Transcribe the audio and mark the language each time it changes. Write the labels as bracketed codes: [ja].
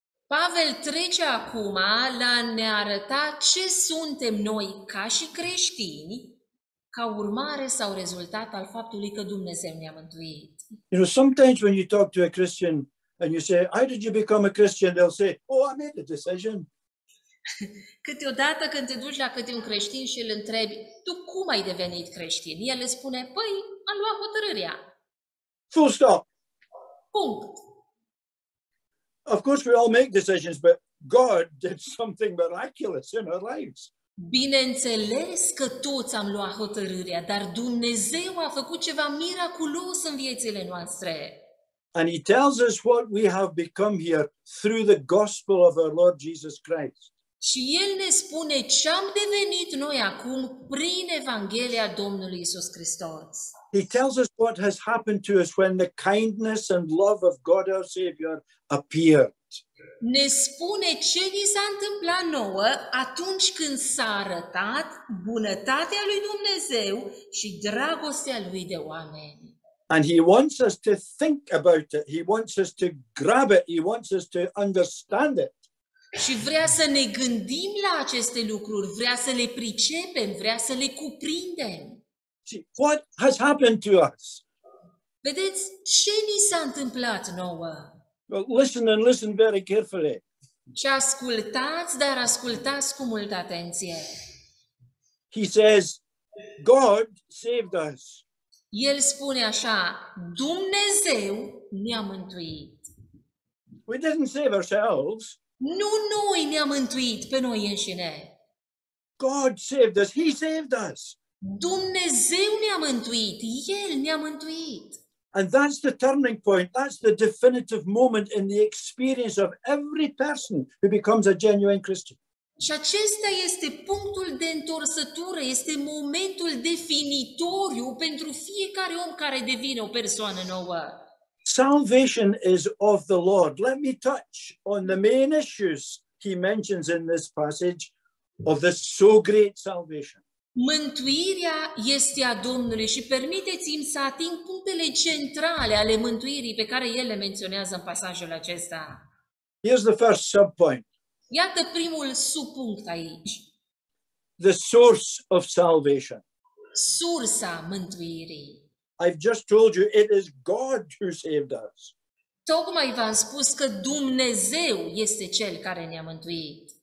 [ro] Pavel trece acum la ne arăta ce suntem noi ca și creștini ca urmare sau rezultat al faptului că Dumnezeu ne-a mântuit. [en] You know, sometimes when you talk to a Christian and you say, how did you become a Christian? They'll say, oh, I made a decision. [ro] Câteodată când te duci la câte un creștin și îl întrebi, tu cum ai devenit creștin? El îți spune, păi, am luat hotărârea. [en] Full stop. [ro] Punct. [en] Of course, we all make decisions, but God did something miraculous in our lives. [ro] Bineînțeles că toți am luat hotărârea, dar Dumnezeu a făcut ceva miraculos în viețile noastre. [en] And he tells us what we have become here through the gospel of our Lord Jesus Christ. [ro] Și el ne spune ce am devenit noi acum prin Evanghelia Domnului Iisus Hristos. [en] He tells us what has happened to us when the kindness and love of God our Savior appeared. [ro] Ne spune ce ni s-a întâmplat nouă atunci când s-a arătat bunătatea lui Dumnezeu și dragostea lui de oameni. [en] And he wants us to think about it. He wants us to grab it. He wants us to understand it. [ro] Și vrea să ne gândim la aceste lucruri, vrea să le pricepem, vrea să le cuprindem. [en] See, what has happened to us? [ro] Vedeți ce ni s-a întâmplat nouă? [en] Well, listen and listen very carefully. [ro] Și ascultați, dar ascultați cu multă atenție. [en] He says, God saved us. [ro] El spune așa, Dumnezeu ne-a mântuit. [en] We didn't save ourselves. [ro] Nu noi ne-am mântuit pe noi înșine. [en] God saved us. He saved us. [ro] Dumnezeu ne-a mântuit. El ne-a mântuit. [en] And that's the turning point. That's the definitive moment in the experience of every person who becomes a genuine Christian. [ro] Și acesta este punctul de întorsătură, este momentul definitoriu pentru fiecare om care devine o persoană nouă. [en] Salvation is of the Lord. Let me touch on the main issues he mentions in this passage of this so great salvation. [ro] Mântuirea este a Domnului și permiteți-mi să ating punctele centrale ale mântuirii pe care el le menționează în pasajul acesta. [en] Here's the first subpoint. [ro] Iată primul subpunct aici. [en] The source of salvation. [ro] Sursa mântuirii. [en] I've just told you it is God who saved us. [ro] Tocmai v-am spus că Dumnezeu este cel care ne-a mântuit.